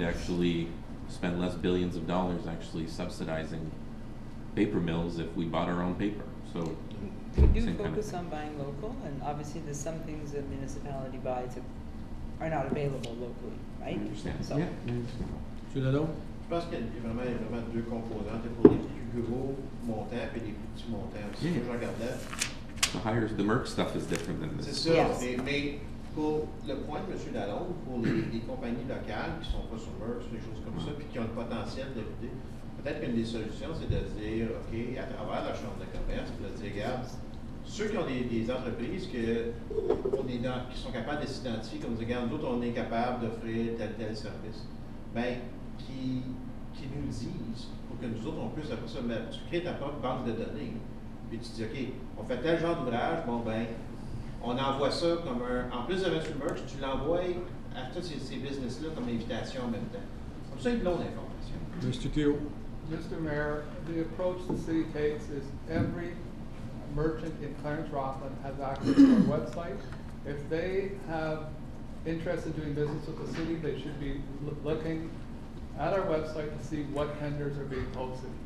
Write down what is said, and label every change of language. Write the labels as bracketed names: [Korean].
[English] We'd actually spend less billions of dollars actually subsidizing paper mills if we bought our own paper. So we do focus on buying local, and obviously there's some things that municipality buys that are not available locally, right? I understand. So. Yeah. [French] Monsieur Lalonde? Je pense qu'il y a vraiment, deux composantes. Il y a pour les plus gros montants et les plus petits montants. C'est ce que je regardais. [English] The higher, the Merck stuff is different than this. [French] C'est ça. [English] Yes. [French] Mais pour le point de M. Lalonde, pour les compagnies locales qui ne sont pas sur Merck, sur des choses comme ça, puis qui ont le potentiel de lutter, peut-être qu'une des solutions, c'est de dire, OK, à travers la Chambre de commerce, de dire, regarde, ceux qui ont des entreprises que, qui sont capables de s'identifier, comme dire, regarde, nous autres, on est capable d'offrir tel service. Bien, qui nous le disent pour que nous autres, on puisse après ça, mais tu crées ta propre banque de données, puis tu dis, OK, on fait tel genre d'ouvrage, bon, ben on envoie ça comme un, en plus de mettre une merch, tu l'envoies à tous ces business-là comme invitation en même temps. Comme ça, ils l'ont l'information. [English] Mr. Thiel. Mr. Mayor, the approach the city takes is every merchant in Clarence Rockland has access to our website. If they have interest in doing business with the city, they should be looking at our website to see what tenders are being posted.